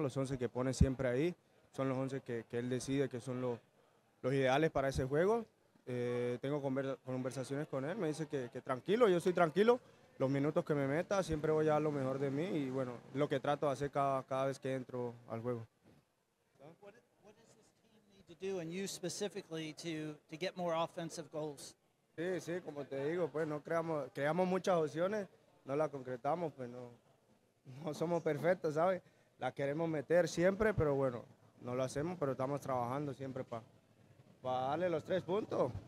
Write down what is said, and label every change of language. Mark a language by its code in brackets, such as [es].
[es] Los 11 que pone siempre ahí son los 11 que él decide que son los ideales para ese juego. Tengo conversaciones con él, me dice que tranquilo, yo soy tranquilo, los minutos que me meta, siempre voy a dar lo mejor de mí y bueno, lo que trato de hacer cada vez que entro al juego. [en] What does this team need to do and you specifically to get more offensive goals? [es] Sí, sí, como te digo, pues no creamos muchas opciones, no las concretamos, pues no somos perfectos, ¿sabes? Las queremos meter siempre, pero bueno, no lo hacemos, pero estamos trabajando siempre para darle los tres puntos.